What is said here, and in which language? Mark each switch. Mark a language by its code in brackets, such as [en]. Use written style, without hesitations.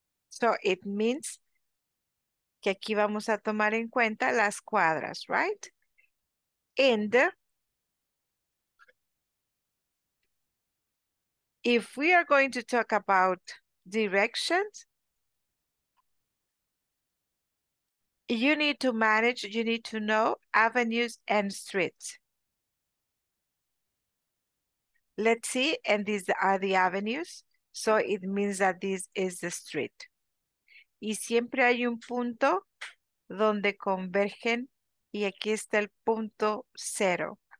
[en] So it means [es] que aquí vamos a tomar en cuenta las cuadras, right? [en] And if we are going to talk about directions, you need to manage, you need to know avenues and streets. Let's see, and these are the avenues, so it means that this is the street. [es] Y siempre hay un punto donde convergen y aquí está el punto cero.